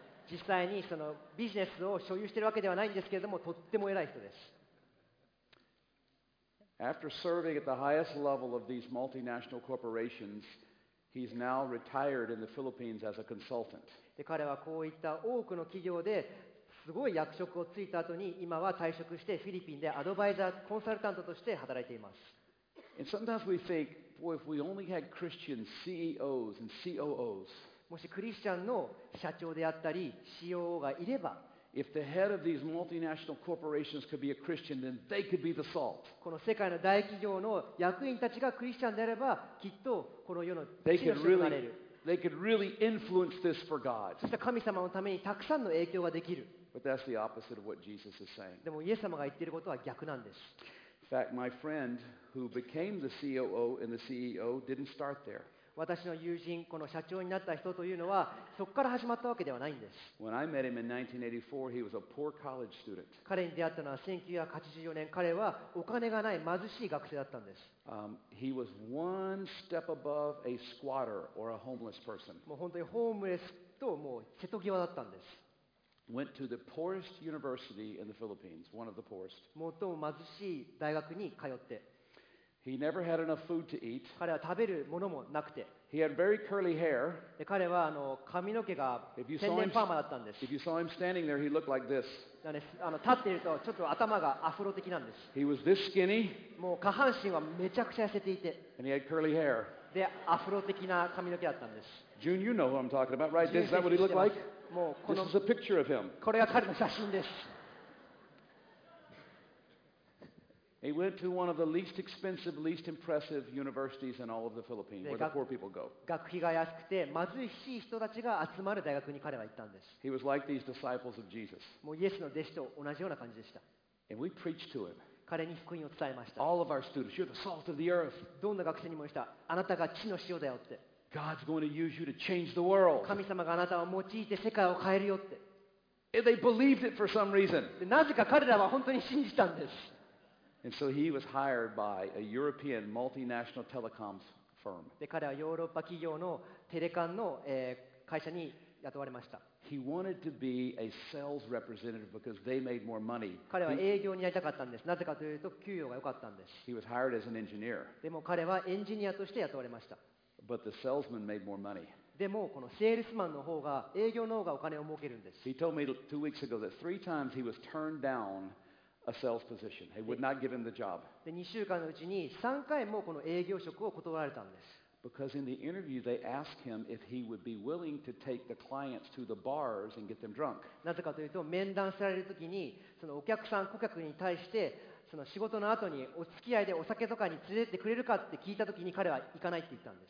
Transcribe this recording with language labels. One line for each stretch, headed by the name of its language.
Japanese: 実際にそのビジネスを所有しているわけではないんですけれども、とっても偉い人です。
English: After serving at the highest level of these multinational corporations, he's now retired in the Philippines as a consultant.
Japanese: で、彼はこういった多くの企業ですごい役職をついた後に今は退職してフィリピンでアドバイザー、コンサルタントとして働いています。
English: And sometimes we think, boy, if we only had Christian CEOs and COOs,
Japanese: もしクリスチャンの社長であったり COO がいれば、
English: If the head of these multinational corporations could be a Christian, then they could be the salt.
Japanese: この世界の大企業の役員たちがクリスチャンであれば、きっとこの世の地の塩になれる。
English: They could really influence this for God.
Japanese: そして神様のためにたくさんの影響ができる。
English: But that's the opposite of what Jesus is saying.
Japanese: でもイエス様が言っていることは逆なんです。
English: fact, my friend who became the COO and the CEO didn't start there.
Japanese: 私の友人、この社長になった人というのは、そこから始まったわけではないんです。
English: When I met him in 1984, he was a poor college student.
Japanese: 彼に出会ったのは1984年、彼はお金がない貧しい学生だったんです。
English: He was one step above a squatter or a homeless person.
Japanese: もう本当にホームレスともう瀬戸際だったんです。
English: Went to the poorest university in the Philippines, one of the poorest.
Japanese: 最も貧しい大学に通って。
English: He never had enough food to eat.
Japanese: 彼は食べるものもなくて。
English: He had very curly hair.
Japanese: 彼はあの髪の毛が天然パーマだったんです。
English: If you saw him standing there, he looked like this.
Japanese: なんで、あの立っているとちょっと頭がアフロ的なんです。
English: He was this skinny.
Japanese: もう下半身はめちゃくちゃ痩せていて。
English: And he had curly hair.
Japanese: で、アフロ的な髪の毛だったんです。
English: June, you know who I'm talking about, right? Is that what he looked like?
Japanese: もうこの、
English: this is a picture of him.
Japanese: これが彼の写真です。
English: He went to one of the least expensive, least impressive universities in all of the Philippines, where the poor people go.
Japanese: 学費が安くて貧しい人たちが集まる大学に彼は行ったんです。
English: He was like these disciples of Jesus.
Japanese: もうイエスの弟子と同じような感じでした。
English: And we preached to him.
Japanese: 彼に福音を伝えました。
English: All of our students, you're the salt of the earth.
Japanese: どんな学生にも言った。あなたが地の塩だよって。
English: God's going to use you to change the world.
Japanese: 神様があなたを用いて世界を変えるよって。
English: And they believed it for some reason.
Japanese: でなぜか彼らは本当に信じたんです。
English: And so he was hired by a European multinational telecoms firm.
Japanese: で彼はヨーロッパ企業のテレカンの、会社に雇われました。
English: He wanted to be a sales representative because they made more money.
Japanese: 彼は営業になりたかったんです。なぜかというと給与が良かったんです。
English: He was hired as an engineer.
Japanese: でも彼はエンジニアとして雇われました。
English: But the salesman made more money.
Japanese: でもこのセールスマンの方が営業の方がお金を儲けるんです。
English: He told me 2 weeks ago that 3 times he was turned down. A sales position. He would not give him the job.
Japanese: で、2週間のうちに3回もこの営業職を断られたんです。
English: Because in the interview they asked him if he would be willing to take the clients to the bars and get them drunk.
Japanese: なぜかというと、面談されるときに、そのお客さん、顧客に対して、その仕事の後にお付き合いでお酒とかに連れてくれるかって聞いたときに彼は行かないって言ったんです。